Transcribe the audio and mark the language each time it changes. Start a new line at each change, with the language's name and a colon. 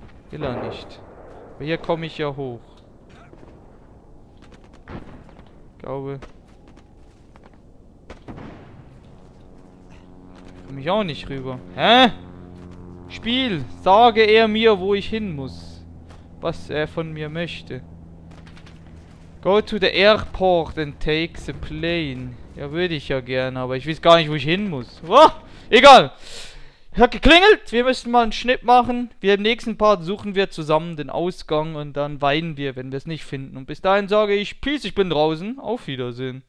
German: Will er nicht. Aber hier komme ich ja hoch. Ich glaube. Komme ich auch nicht rüber. Hä? Spiel! Sage er mir, wo ich hin muss. Was er von mir möchte.
English: Go to the airport and take the plane.
German: Ja, würde ich ja gerne, aber ich weiß gar nicht, wo ich hin muss. Oh, egal! Hat geklingelt, wir müssen mal einen Schnitt machen. Wir im nächsten Part suchen wir zusammen den Ausgang und dann weinen wir, wenn wir es nicht finden. Und bis dahin sage ich Peace, ich bin draußen. Auf Wiedersehen.